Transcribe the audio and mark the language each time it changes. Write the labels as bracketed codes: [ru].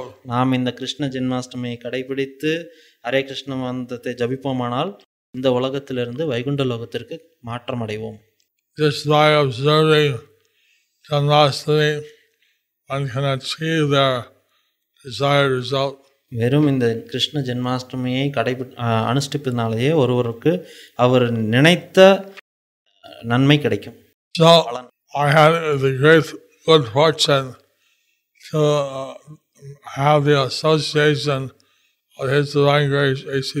[ta] நாம் இந்த கிருஷ்ண ஜென்மாஷ்டமியை கடைபிடித்து ஹரே கிருஷ்ண மந்திரத்தை ஜபிப்போமானால் இந்த உலகத்திலிருந்து வைகுண்ட லோகத்திற்கு மாற்றம் அடைவோம். [en] Just by observing Janmastami, one can achieve the desired result. [ta] வெறும் இந்த கிருஷ்ண ஜென்மாஷ்டமியை அனுஷ்டிப்பதனாலேயே ஒருவருக்கு அவர் நினைத்த நன்மை கிடைக்கும். [en] So, I had the great good fortune to have the association of His Divine Grace A.C.